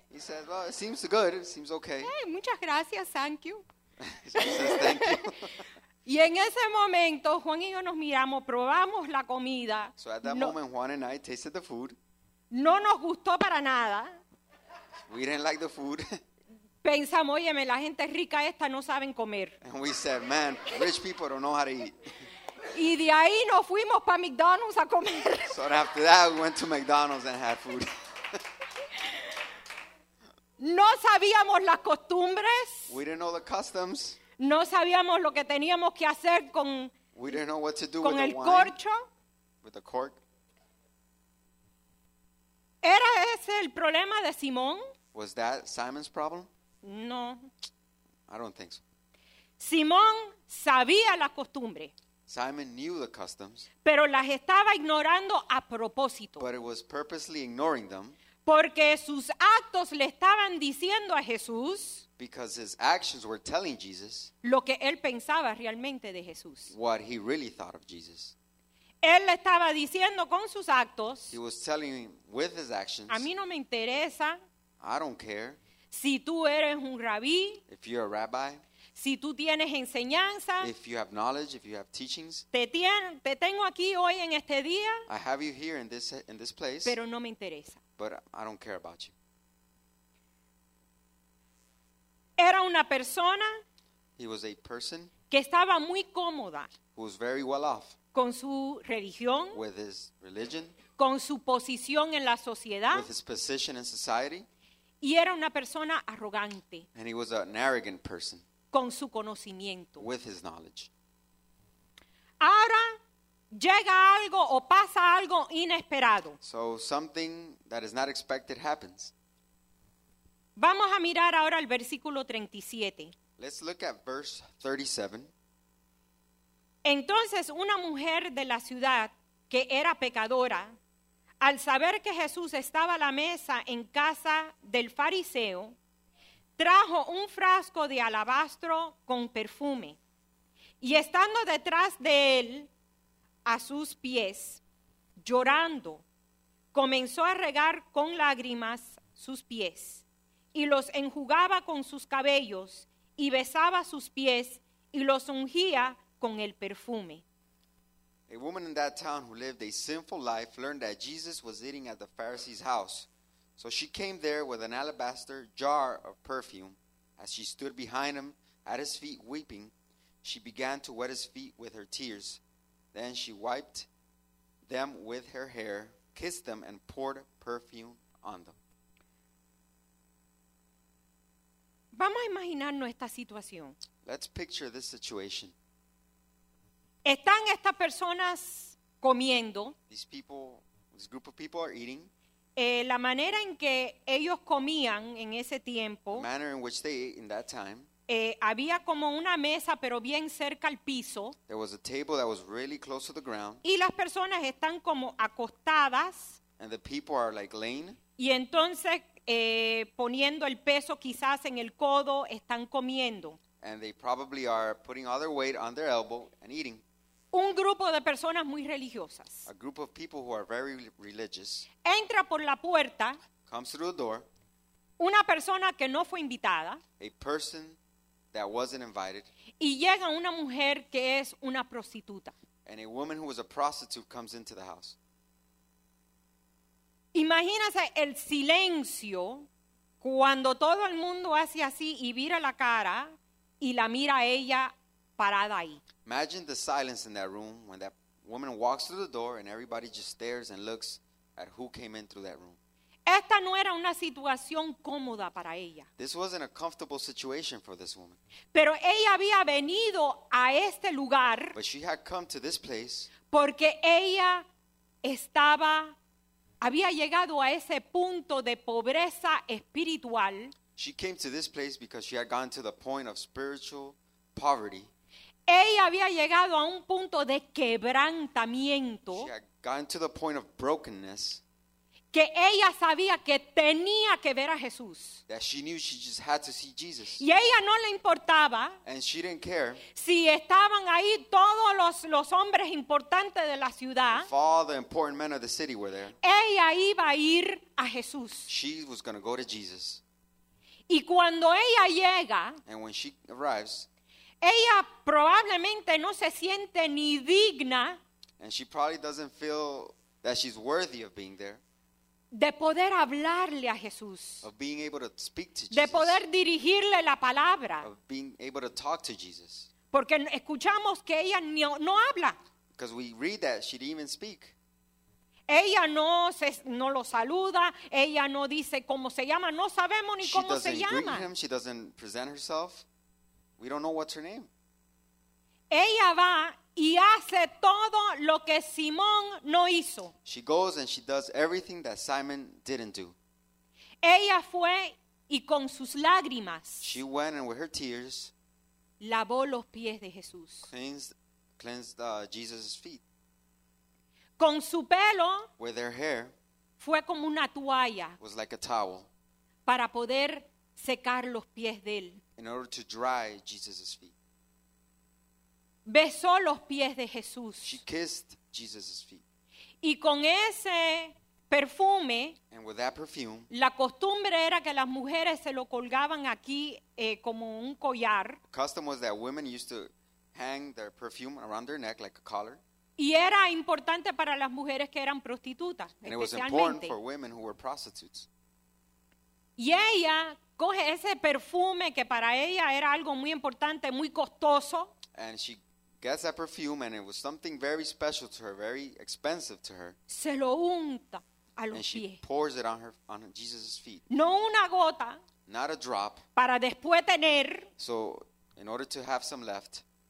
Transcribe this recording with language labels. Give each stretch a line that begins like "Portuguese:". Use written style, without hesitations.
English: He says, well, it seems good, it seems okay.
Spanish: Hey, muchas gracias,
English: thank you. He says, thank you.
Spanish: Y en ese momento, Juan y yo nos miramos, probamos la comida.
English: So at that moment, Juan and I tasted the food.
Spanish: No nos gustó para nada.
English: We didn't like the food.
Spanish: Pensamos, óyeme, la gente rica esta no saben comer.
English: And we said, man, rich people don't know how to eat.
Spanish: Y de ahí nos fuimos para McDonald's a comer.
English: So after that, we went to McDonald's and had food.
Spanish: No sabíamos las costumbres.
English: We didn't know the customs.
Spanish: No sabíamos lo que teníamos que hacer con el corcho.
English: With the cork.
Spanish: ¿Era ese el problema de Simón?
English: Was that Simon's problem?
Spanish: No.
English: I don't think so.
Spanish: Simón sabía las costumbres.
English: Simon knew the customs.
Spanish: Pero las estaba ignorando a propósito.
English: But it was purposely ignoring them.
Spanish: Porque sus actos le estaban diciendo a Jesús.
English: Because his actions were telling Jesus
Spanish: lo que él pensaba realmente de Jesús.
English: What he really thought of Jesus.
Spanish: Él le estaba diciendo con sus actos.
English: He was telling him with his actions.
Spanish: A mí no me interesa.
English: I don't care.
Spanish: Si tú eres un rabí,
English: if you're a rabbi,
Spanish: si tú tienes enseñanza,
English: if you have knowledge, if you have teachings,
Spanish: te tengo aquí hoy en este día,
English: I have you here in this place,
Spanish: pero no me interesa.
English: But I don't care about you.
Spanish: Era una persona,
English: he was a person,
Spanish: que estaba muy cómoda,
English: who was very well off,
Spanish: con su religión,
English: with his religion,
Spanish: con su posición en la sociedad,
English: with his position in society,
Spanish: y era una persona arrogante,
English: and he was an arrogant person,
Spanish: con su conocimiento,
English: with his knowledge.
Spanish: Ahora llega algo o pasa algo inesperado.
English: So something that is not expected happens.
Spanish: Vamos a mirar ahora el versículo 37.
English: Let's look at verse 37.
Spanish: Entonces una mujer de la ciudad que era pecadora, al saber que Jesús estaba a la mesa en casa del fariseo, trajo un frasco de alabastro con perfume y estando detrás de él a sus pies, llorando, comenzó a regar con lágrimas sus pies y los enjugaba con sus cabellos y besaba sus pies y los ungía con el perfume.
English: A woman in that town who lived a sinful life learned that Jesus was eating at the Pharisee's house. So she came there with an alabaster jar of perfume. As she stood behind him at his feet weeping, she began to wet his feet with her tears. Then she wiped them with her hair, kissed them, and poured perfume on them.
Spanish: Vamos a imaginarnos esta situación.
English: Let's picture this situation.
Spanish: Están estas personas comiendo.
English: These people, this group of people are eating.
Spanish: La manera en que ellos comían en ese tiempo.
English: The manner in which they ate in that time.
Spanish: Había como una mesa, pero bien cerca al piso.
English: There was a table that was really close to the ground.
Spanish: Y las personas están como acostadas.
English: And the people are like laying.
Spanish: Y entonces, poniendo el peso quizás en el codo, están comiendo.
English: And they probably are putting all their weight on their elbow and eating.
Spanish: Un grupo de personas muy religiosas.
English: A group of people who are very religious.
Spanish: Entra por la puerta.
English: Comes through the door.
Spanish: Una persona que no fue invitada.
English: A person that wasn't invited.
Spanish: Y llega una mujer que es una prostituta.
English: And a woman who was a prostitute comes into the house.
Spanish: Imagínense el silencio cuando todo el mundo hace así y vira la cara y la mira a ella parada ahí.
English: Imagine the silence in that room when that woman walks through the door and everybody just stares and looks at who came in through that room.
Spanish: Esta no era una situación cómoda para ella.
English: This wasn't a comfortable situation for this woman.
Spanish: Pero ella había venido a este lugar.
English: But she had come to this place.
Spanish: Porque ella estaba, había llegado a ese punto de pobreza espiritual.
English: She came to this place because she had gone to the point of spiritual poverty.
Spanish: Ella había llegado a un punto de quebrantamiento.
English: She had gotten to the point of brokenness.
Spanish: Que ella sabía que tenía que ver a Jesús.
English: That she knew she just had to see Jesus.
Spanish: Y ella no le importaba.
English: And she didn't care.
Spanish: Si estaban ahí todos los hombres importantes de la ciudad.
English: If all the important men of the city were there.
Spanish: Ella iba a ir a Jesús.
English: She was going to go to Jesus.
Spanish: Y cuando ella llega.
English: And when she arrives.
Spanish: Ella probablemente no se siente ni digna.
English: And she probably doesn't feel that she's worthy of being there.
Spanish: De poder hablarle a Jesús.
English: Of being able to speak to Jesus.
Spanish: De poder dirigirle la palabra.
English: Of being able to talk to Jesus.
Spanish: Porque escuchamos que ella no habla.
English: Because we read that she didn't even speak.
Spanish: Ella no lo saluda. Ella no dice cómo se llama. No sabemos ni
English: she
Spanish: cómo se llama.
English: She doesn't greet him. She doesn't present herself. We don't know what's her name.
Spanish: Ella va y hace todo lo que Simón no hizo.
English: She goes and she does everything that Simon didn't do.
Spanish: Ella fue y con sus lágrimas.
English: She went and with her tears.
Spanish: Lavó los pies de Jesús.
English: Cleansed Jesus' feet.
Spanish: Con su pelo.
English: With her hair.
Spanish: Fue como una toalla.
English: Was like a towel.
Spanish: Para poder secar los pies de él.
English: In order to dry Jesus' feet.
Spanish: Besó los pies de Jesús.
English: She kissed Jesus' feet.
Spanish: Y con ese perfume,
English: and with that perfume,
Spanish: la costumbre era que las mujeres se lo colgaban aquí como un collar.
English: The custom was that women used to hang their perfume around their neck like a collar.
Spanish: Y era importante para las mujeres que eran prostitutas, and especialmente.
English: It was important for women who were prostitutes.
Spanish: Y ella coge ese perfume que para ella era algo muy importante, muy costoso.
English: And she gets that perfume, and it was something very special to her, very expensive to her.
Spanish: Se lo unta a los
English: And she pours it on Jesus' feet.
Spanish: No una gota.
English: Not a drop.
Spanish: Para después tener.
English: So, in order to have some left.